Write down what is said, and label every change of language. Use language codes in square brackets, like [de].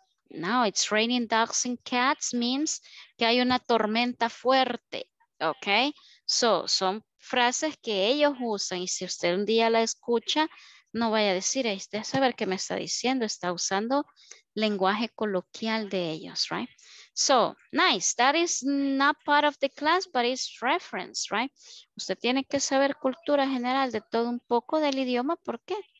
[en] Now, it's raining dogs and cats means [es] que hay una tormenta fuerte. Ok, so, son frases que ellos usan y si usted un día la escucha, no vaya a decir, este a saber qué me está diciendo, está usando lenguaje coloquial de ellos, right? [en] So, nice, that is not part of the class, but it's reference, right? [es] Usted tiene que saber cultura general de todo un poco del idioma, ¿por qué?